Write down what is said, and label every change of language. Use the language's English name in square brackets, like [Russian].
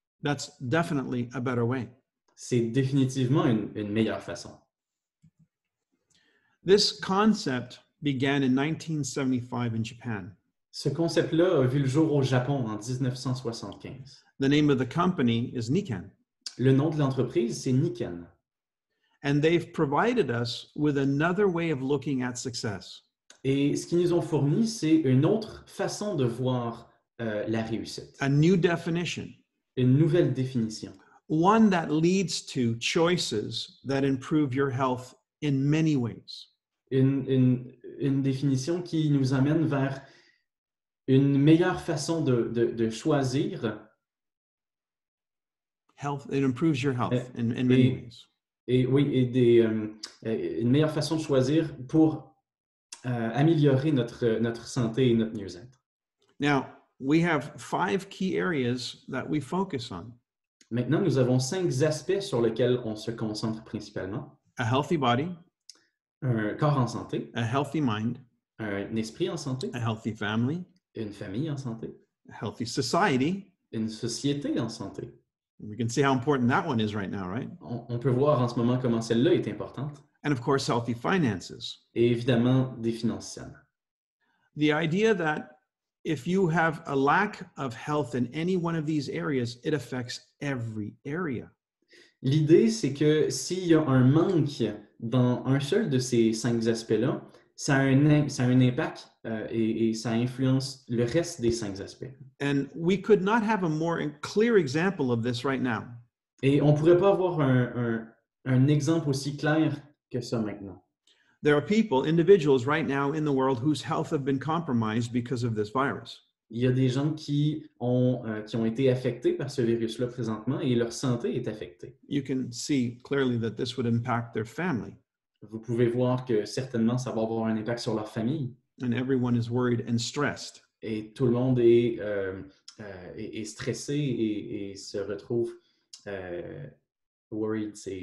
[English] That's definitely a better way. [French] C'est définitivement une meilleure façon. [English] This concept began in 1975 in Japan. [French] Ce concept-là a vu le jour au Japon en 1975. [English] The name of the company is Nikken. [French] Le nom de l'entreprise, c'est Nikken. [English] And they've provided us with another way of looking at success. [French] Et ce qu'ils nous ont fourni, c'est une autre façon de voir la réussite. [English] A new definition. [French] Une nouvelle définition. [English] One that leads to choices that improve your health in many ways. [French] Une définition qui nous amène vers une meilleure façon de choisir. [English] Health, it improves your health in many ways. [French] Et oui, et des une meilleure façon de choisir pour améliorer notre santé et notre mieux-être. [English] Now, we have five key areas that we focus on. [French] Maintenant, nous avons cinq aspects sur lesquels on se concentre principalement. [English] A healthy body. [French] Un corps en santé. [English] A healthy mind. [French] Un esprit en santé. [English] A healthy family. [French] Une famille en santé. [English] A healthy society. [French] Une société en santé. [English] We can see how important that one is right now, right? [French] On peut voir en ce moment comment celle-là est importante. [English] And of course, healthy finances. [French] Et évidemment, des finances saines. [English] The idea that if you have a lack of health in any one of these areas, it affects every area. [French] L'idée, c'est que s'il y a un manque dans un seul de ces cinq aspects-là, ça a un impact et ça influence le reste des cinq aspects. [English] And we could not have a more clear example of this right now. [French] Et on pourrait pas avoir un exemple aussi clair que ça maintenant. [English] There are people, individuals right now in the world whose health have been compromised because of this virus. [French] Il y a des gens qui ont été affectés par ce virus-là présentement et leur santé est affectée. [English] You can see clearly that this would impact their family. [French] Vous pouvez voir que certainement ça va avoir un impact sur leur famille. [English] And everyone is worried and stressed. [French] Et tout le monde est stressé et se retrouve [English] worried.